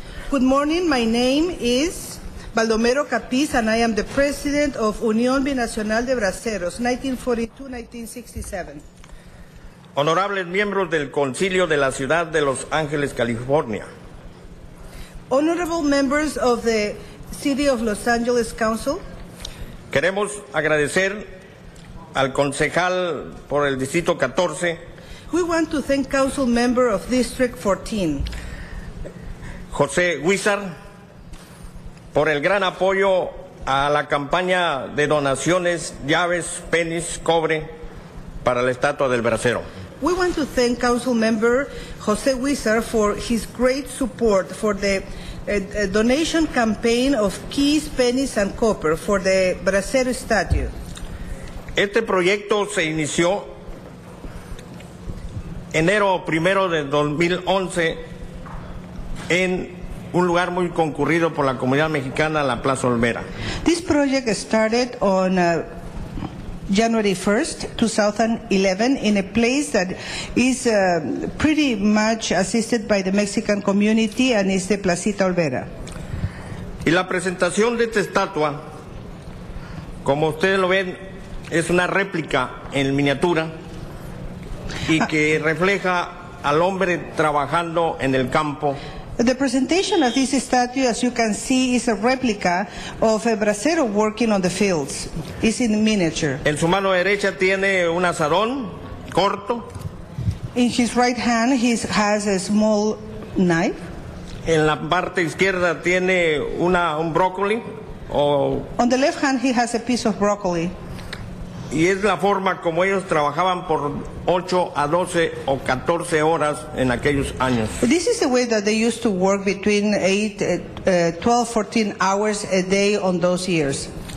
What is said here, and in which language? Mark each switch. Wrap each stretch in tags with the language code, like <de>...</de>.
<en>Good morning. My name is Baldomero Capiz and I am the president of Unión Binacional de Braceros 1942-1967.</en> <es>Honorables miembros del Concilio de la Ciudad de Los Ángeles, California.</es> <en>Honorable members of the City of Los Angeles Council.</en> <es>Queremos agradecer al concejal por el distrito 14.</es> <en>We want to thank council member of district 14.</en> <es>José Huizar, por el gran apoyo a la campaña de donaciones, llaves, penis, cobre para la estatua del bracero.</es> <en>We want to thank council member José Huizar for his great support for the a donation campaign of keys, pennies, and copper for the Bracero statue.</en> <es>Este proyecto se inició enero primero de 2011 en un lugar muy concurrido por la comunidad mexicana, la Plaza Olmera.</es> <en>This project started on January 1st, 2011, in a place that is pretty much assisted by the Mexican community, and is the Placita Olvera.</en> <es>Y la presentación de esta estatua, como ustedes lo ven, es una réplica en miniatura y que refleja al hombre trabajando en el campo.</es> <en>The presentation of this statue, as you can see, is a replica of a bracero working on the fields. It's in miniature.</en> <es>En su mano derecha tiene un azadón corto.</es> <en>In his right hand, he has a small knife.</en> <es>En la parte izquierda tiene un broccoli.</es> <en>On the left hand, he has a piece of broccoli.</en> <es>Y es la forma como ellos trabajaban por 8 a 12 o 14 horas en aquellos años.</es> <en>This is the way that they used to work between 12-14 hours a day on those years.</en>